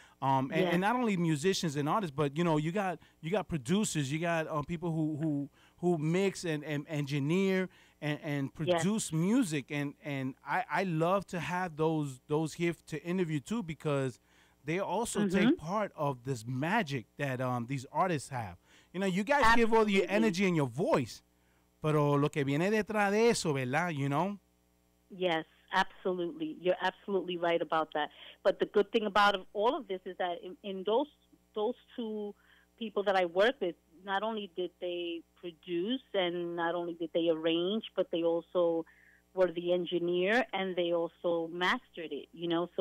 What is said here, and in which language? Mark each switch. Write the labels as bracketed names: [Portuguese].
[English] And not only musicians and artists, but, you know, you got producers, you got people who mix and engineer and produce music. And I love to have those here to interview, too, because they also take part of this magic that these artists have. You know, you guys give all your energy and your voice. [Spanish] Pero lo que viene detrás de eso, ¿verdad? [English] You know? Yes. Absolutely. You're absolutely right about that. But the good thing about all of this is that in those two people that I work with, not only did they produce and not only did they arrange, but they also were the engineer and they also mastered it, you know?